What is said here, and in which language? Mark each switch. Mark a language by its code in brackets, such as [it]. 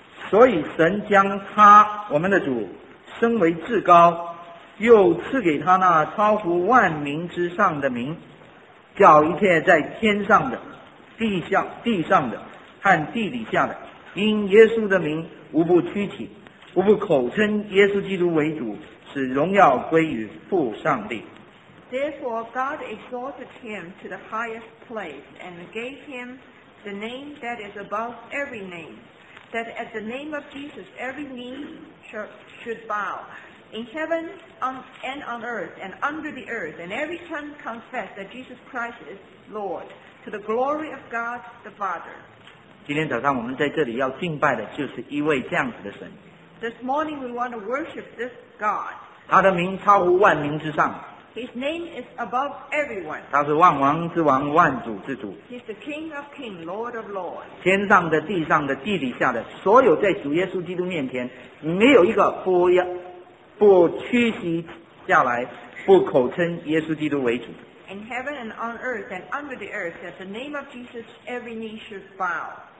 [zh] 所以神将他我们的主升为至高，又赐给他那超乎万民之上的名，叫一切在天上的、地上的和地底下的，因耶稣的名无不屈起，无不口称耶稣基督为主，使荣耀归于父上帝。 [en] Therefore God exalted him to the highest place and gave him the name that is above every name, that at the name of Jesus every knee should bow in heaven and on earth and under the earth, and every tongue confess that Jesus Christ is Lord, to the glory of God the Father. [zh] 今天早上我们在这里要敬拜的就是一位这样子的神。 [en] This morning we want to worship this God. [zh] 他的名超乎万民之上。 [en] His name is above everyone. [zh] 他是万王之王，万主之主。 [en] He's the King of Kings, Lord of Lords. [zh] 天上的、地上的、地底下的，所有在主耶稣基督面前，没有一个不屈膝下来，不口称耶稣基督为主。 [en] In heaven and on earth and under the earth, at the name of Jesus, every knee should bow.